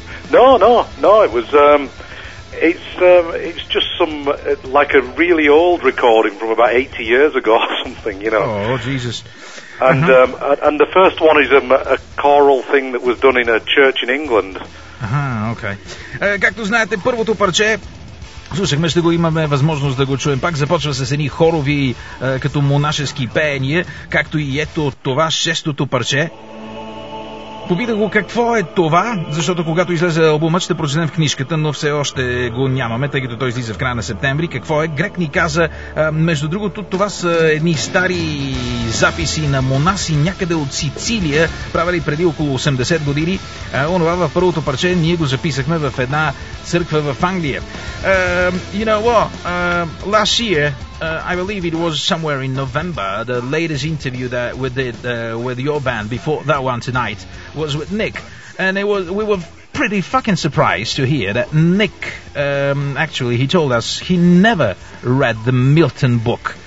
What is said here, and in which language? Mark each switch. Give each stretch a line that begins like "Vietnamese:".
English: No, it was... It's just some, like a really old recording from about 80 years ago or something, you know. Oh, Jesus. And and the first one is a choral thing that was done in a church in England. Aha, okay.
Bulgarian: Както знаете, първото парче, слушахме, ще го имаме възможност да го чуем пак, започва с едни хорови като монашески пеения, както и ето това шестото парче. Попитах го какво е това, защото когато излезе албумът ще прочетем в книжката, но все още го нямаме, тъй като той излиза в края на септември. Какво е? Грек ни каза, между другото, това са едни стари записи на монаси някъде от Сицилия, правили преди около 80 години. Онова в първото парче ние го записахме в една църква в Англия.
English: You know what? Last year, I believe it was somewhere in November, the latest interview that we did with your band before that one tonight was with Nick. And it was, we were pretty fucking surprised to hear that Nick, actually, he told us he never read the Milton book.